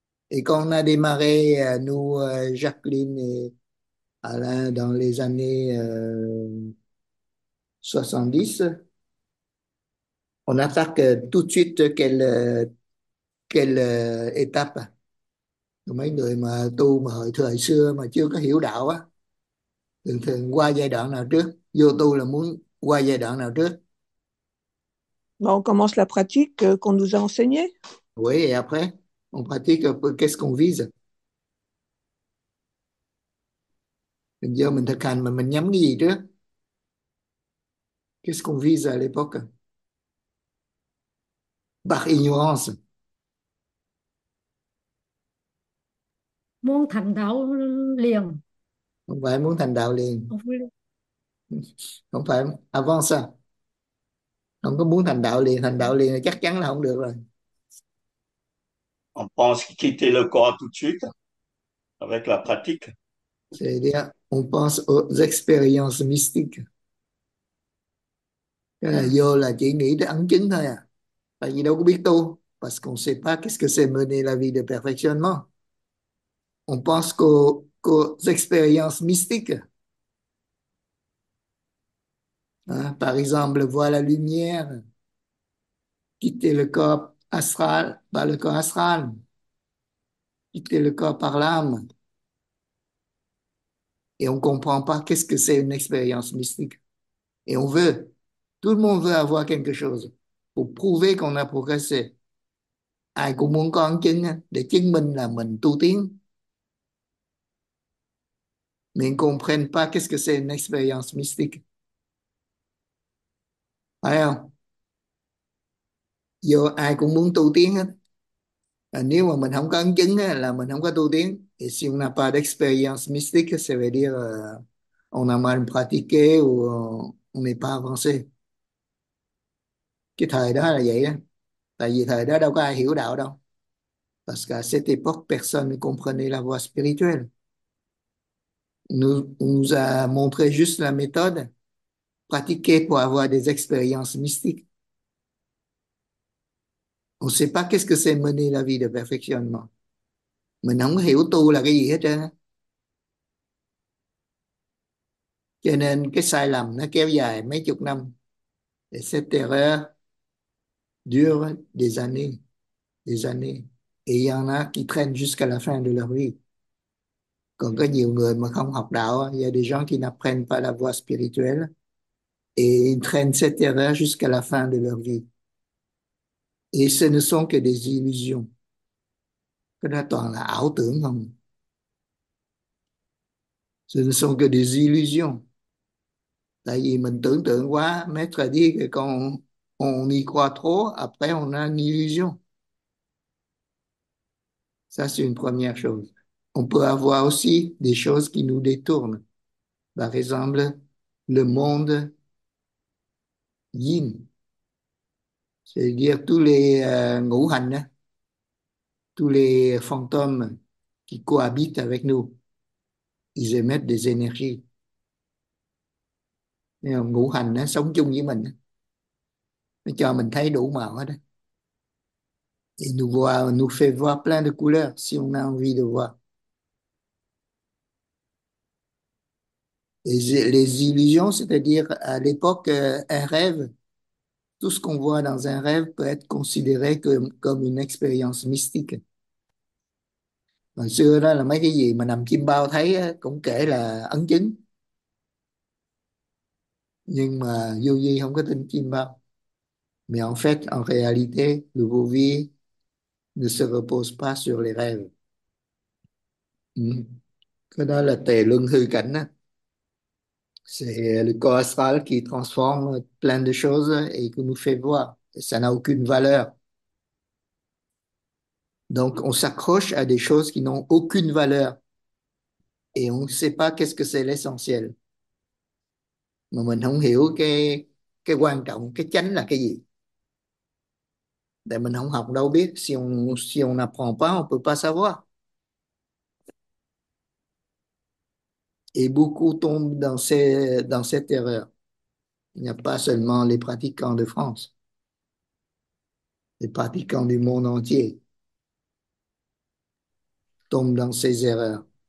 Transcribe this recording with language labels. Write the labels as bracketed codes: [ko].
[fr] Et quand on a démarré, nous, Jacqueline et Alain, dans les années 70, on attaque tout de suite quelle étape. [vi] Mấy người mà tu mà thời xưa mà chưa có hiểu đạo á, thường thường qua giai đoạn nào trước, vô tu là muốn qua giai đoạn nào trước. [fr] On commence la pratique qu'on nous a enseignée. Oui, et après, on pratique un peu qu'est-ce qu'on vise. [vi] Mình vô mình thực hành mà mình nhắm cái gì trước? [fr] Qu'est-ce qu'on vise à l'époque? Par ignorance. [vi] Muốn thành đạo liền. Không phải muốn thành đạo Không phải liền. liền. Không phải [fr] avant ça. [vi] Không có muốn thành đạo liền là chắc chắn là không được rồi. [fr] On pense quitter le corps tout de suite avec la pratique. C'est-à-dire, on pense aux expériences mystiques. [vi] Là vô là chỉ nghĩ tới ấn chứng thôi à. Tại vì đâu có biết tu, [fr] parce qu'on ne sait pas qu'est-ce que c'est mener la vie de perfectionnement. On pense qu'aux expériences mystiques. Hein? Par exemple, voir la lumière, quitter le corps astral, pas le corps astral, quitter le corps par l'âme. Et on ne comprend pas qu'est-ce que c'est une expérience mystique. Et on veut, tout le monde veut avoir quelque chose pour prouver qu'on a progressé. [vi] Ai cũng muốn có chứng để chứng minh là mình tu tiến. [fr] Mais ils ne comprennent pas qu'est-ce que c'est une expérience mystique. [vi] Phải không? Vô ai cũng muốn tu tiến hết. À, nếu mà mình không có ấn chứng á, là mình không có tu tiến. [fr] Et si on n'a pas d'expérience mystique, ça veut dire on a mal pratiqué ou on n'est pas avancé. [vi] Cái thời đó là vậy đó. Tại vì thời đó đâu có ai hiểu đạo đâu. [fr] Parce qu'à cette époque, personne ne comprenait la voie spirituelle. On nous a montré juste la méthode pratiquée pour avoir des expériences mystiques. On ne sait pas qu'est-ce que c'est mener la vie de perfectionnement. [vi] Mình không hiểu tu là cái gì hết trơn. Cho nên cái sai lầm nó kéo dài mấy chục năm. [fr] Et cette erreur dure des années. Des années. Et il y en a qui traînent jusqu'à la fin de leur vie. [vi] Còn có nhiều người mà không học đạo, [fr] il y a des gens qui n'apprennent pas la voie spirituelle et ils traînent cette erreur jusqu'à la fin de leur vie. Et ce ne sont que des illusions. [vi] Cái đó toàn là ảo tưởng không? [fr] Ce ne sont que des illusions. [vi] Tại vì mình tưởng tượng quá, [fr] Maître a dit que quand on y croit trop, après on a une illusion. Ça, c'est une première chose. On peut avoir aussi des choses qui nous détournent. Par exemple, le monde yin. C'est-à-dire tous les ngũ hành, hein? Tous les fantômes qui cohabitent avec nous, ils émettent des énergies. [vi] Ngũ hành hein, sống chung với mình, nó cho mình thấy đủ màu hết. [fr] Et nous voit, nous fait voir plein de couleurs si on a envie de voir. Les illusions, c'est-à-dire à l'époque, un rêve. Tout ce qu'on voit dans un rêve peut être considéré comme une expérience mystique. [vi] Hồi xưa đó là mấy cái gì mà nằm chiêm bao thấy á, cũng kể là ấn chứng. Nhưng mà vô vi không có tin chiêm bao. [fr] Mais en fait, en réalité, le vô vi ne se repose pas sur les rêves. [vi] Cái đó là tề luân hư cảnh á. [fr] C'est le corps astral qui transforme plein de choses et qui nous fait voir. Ça n'a aucune valeur. Donc, on s'accroche à des choses qui n'ont aucune valeur et on ne sait pas qu'est-ce que c'est l'essentiel. [vi] Mà mình không hiểu cái quan trọng, cái chánh là cái gì. Để mình không học đâu biết. [fr] Si on n'apprend pas, on peut pas savoir. Et beaucoup tombent dans cette erreur. Il n'y a pas seulement les pratiquants de France, les pratiquants du monde entier tombent dans ces erreurs.